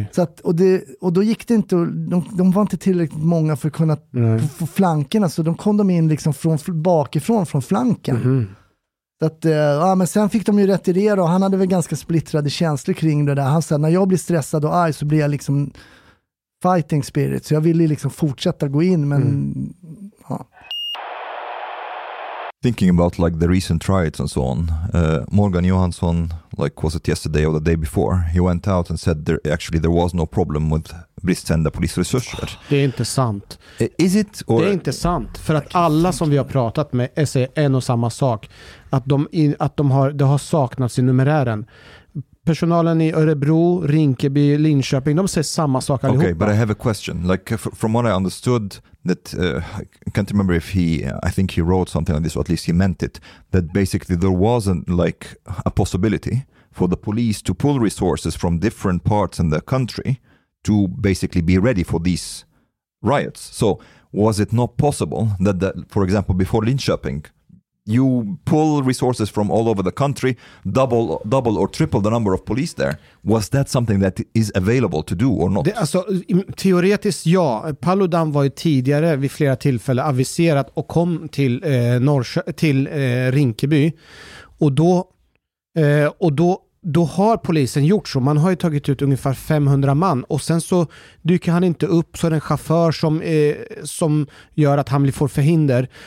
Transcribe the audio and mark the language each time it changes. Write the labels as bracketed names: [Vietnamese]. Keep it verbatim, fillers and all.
[Swedish] Okay. Så att, och, det, och då gick det inte, de, de var inte tillräckligt många för att kunna få flankerna, så de kom de in liksom från, bakifrån från flanken. Mm. Så att, ja, men sen fick de ju retirera och han hade väl ganska splittrade känslor kring det där. Han sa, när jag blir stressad och arg så blir jag liksom [English] fighting spirit, [Swedish] så jag ville liksom fortsätta gå in, men mm. ja. [English] Thinking about like the recent riots and so on, uh, Morgan Johansson, like was it yesterday or the day before, he went out and said there actually there was no problem with [Swedish] bristande polisresurser. Det är inte sant. [English] Is it or... [Swedish] Det är inte sant, för att alla som vi har pratat med säger en och samma sak, att de, att de har, det har saknats i numerären. personalen i Örebro, Rinkeby, Linköping, de säger samma sak allihopa. [English] Okay, but I have a question. Like from what I understood that uh, I can't remember if he I think he wrote something like this, or at least he meant it, that basically there wasn't like a possibility for the police to pull resources from different parts in the country to basically be ready for these riots. So was it not possible that, the, for example, before Linköping, you pull resources from all over the country, double, double or triple the number of police there? Was that something that is available to do or not? [Swedish] Det, alltså, teoretiskt ja. Paludan var ju tidigare vid flera tillfällen aviserat och kom till, eh, Norrkö- till eh, Rinkeby. Och då, eh, och då Då har polisen gjort så. Man har ju tagit ut ungefär femhundra man och sen så dyker han inte upp, så är det en chaufför som, eh, som gör att han blir får förhinder.